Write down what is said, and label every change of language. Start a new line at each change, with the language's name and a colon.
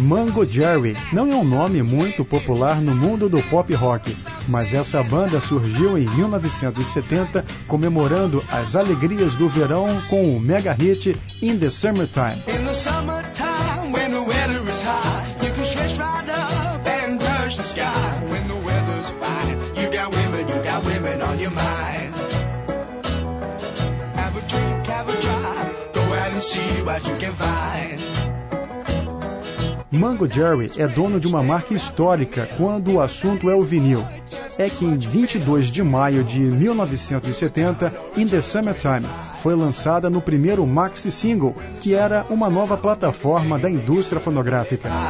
Portuguese: Uncle Jerry não é um nome muito popular no mundo do pop rock, mas essa banda surgiu em 1970 comemorando as alegrias do verão com o mega hit In the Summertime.
English: In the summertime, when the weather is high, you can stretch right up and brush the sky. When the weather's fine, you got women on your mind. Have a drink, have a drive, go out and see what you can find.
Portuguese: Mungo Jerry é dono de uma marca histórica quando o assunto é o vinil. É que em 22 de maio de 1970, In the Summertime foi lançada no primeiro maxi single, que era uma nova plataforma da indústria fonográfica.